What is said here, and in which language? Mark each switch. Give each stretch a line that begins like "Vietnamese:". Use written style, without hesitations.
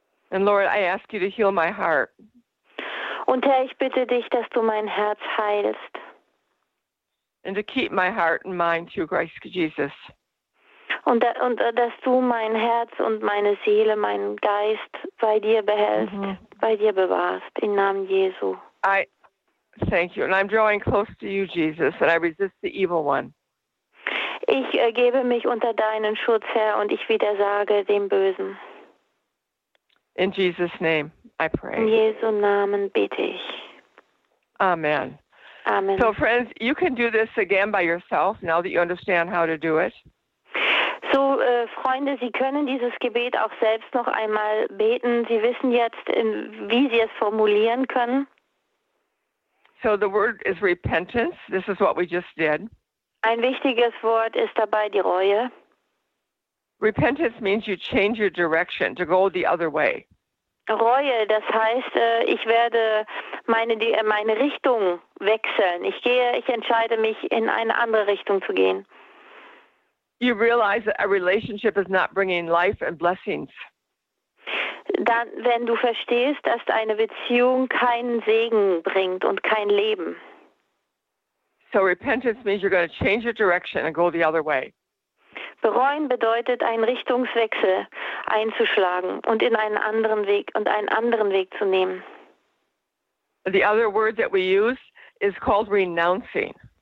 English: And Lord, I ask you to heal my heart.
German: Und Herr, ich bitte dich, dass du mein Herz heilst.
English: And to keep my heart and mind through Christ Jesus.
German: Und dass du mein Herz und meine Seele, meinen Geist bei dir behältst, mm-hmm. bei dir bewahrst, im Namen Jesu.
English: Thank you. And I'm drawing close to you, Jesus, and I resist the evil one.
German: Ich gebe mich unter deinen Schutz, Herr, und ich widersage dem Bösen.
English: In Jesus' name, I pray.
German: In Jesu Namen bitte ich.
English: Amen.
German: Amen.
English: So, friends, you can do this again by yourself, now that you understand how to do it.
German: So, Freunde, Sie können dieses Gebet auch selbst noch einmal beten. Sie wissen jetzt, wie Sie es formulieren können.
English: So the word is repentance. This is what we just did.
German: Ein wichtiges Wort ist dabei die Reue.
English: Repentance means you change your direction to go the other way.
German: Reue, das heißt, ich werde meine Richtung wechseln. Ich entscheide mich, in eine andere Richtung zu gehen.
English: You realize that a relationship is not bringing life and blessings.
German: Dann, wenn du verstehst, dass eine Beziehung keinen Segen bringt und kein Leben.
English: So repentance means you're going to change your direction and go the other way.
German: Bereuen bedeutet, einen Richtungswechsel einzuschlagen und einen anderen Weg zu nehmen.
English: The other word that we use is called renouncing.